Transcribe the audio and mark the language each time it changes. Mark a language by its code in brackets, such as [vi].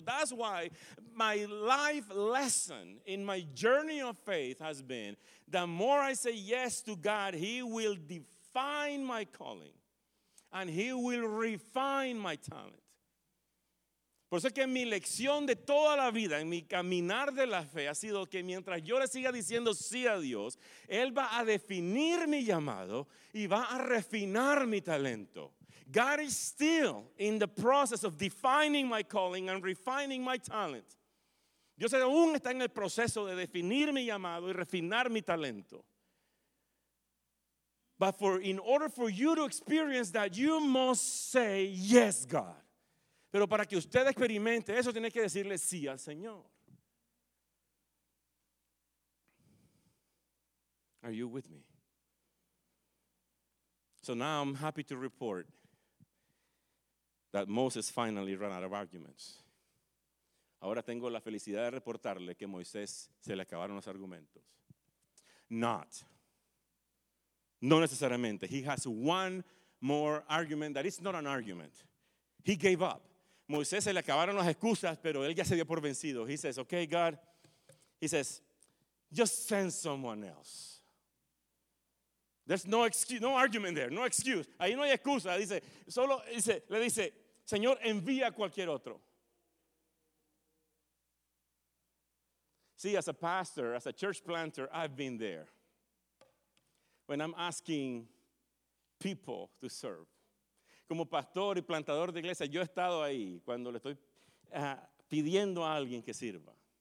[en] That's why my life lesson in my journey of faith has been, the more I say yes to God, He will define my calling. And He will refine my talent. [es] Por eso es que mi lección de toda la vida, en mi caminar de la fe, ha sido que mientras yo le siga diciendo sí a Dios, Él va a definir mi llamado y va a refinar mi talento. [en] God is still in the process of defining my calling and refining my talent. [es] Dios aún está en el proceso de definir mi llamado y refinar mi talento. [en] But in order for you to experience that, you must say yes, God. [es] Pero para que usted experimente eso, tiene que decirle sí al Señor. [en] Are you with me? So now I'm happy to report that Moses finally ran out of arguments. [es] Ahora tengo la felicidad de reportarle que Moisés se le acabaron los argumentos. No necesariamente. [en] He has one more argument that is not an argument. He gave up. [es] Moisés se le acabaron las excusas, pero él ya se dio por vencido. [en] He says, okay, God. He says, just send someone else. There's no excuse, no argument there, no excuse. [es] Ahí no hay excusa. Dice, solo dice, le dice, Señor, envía a cualquier otro. [en] See, as a pastor, as a church planter, I've been there. When I'm asking people to serve. [es] Como pastor y plantador de iglesia, yo he estado ahí cuando le estoy pidiendo a alguien que sirva.